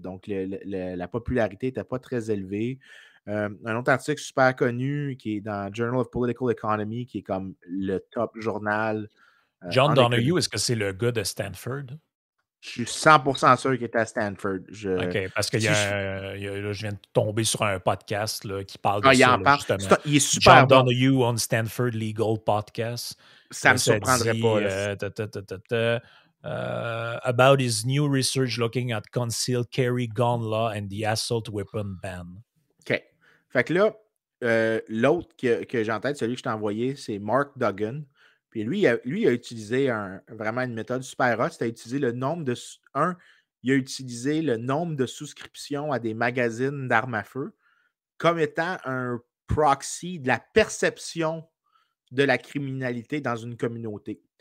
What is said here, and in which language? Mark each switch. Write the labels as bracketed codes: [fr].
[fr] Donc, la popularité n'était pas très élevée. Un autre article super connu qui est dans Journal of Political Economy, qui est comme le top journal. John Donahue, est-ce que c'est le gars de Stanford? Je suis 100% sûr qu'il était à Stanford. OK, parce que je viens de tomber sur un podcast là, qui parle de ça, justement. Il est super [en] John Donahue on Stanford Legal Podcast. [fr] Ça me surprendrait pas. [en] About his new research looking at concealed carry gun law and the assault weapon ban. [fr] Fait que là, l'autre que j'ai en tête, celui que je t'ai envoyé, c'est Mark Duggan. Puis lui, il a utilisé vraiment une méthode super hot. C'était utiliser le nombre de... il a utilisé le nombre de souscriptions à des magazines d'armes à feu comme étant un proxy de la perception de la criminalité dans une communauté.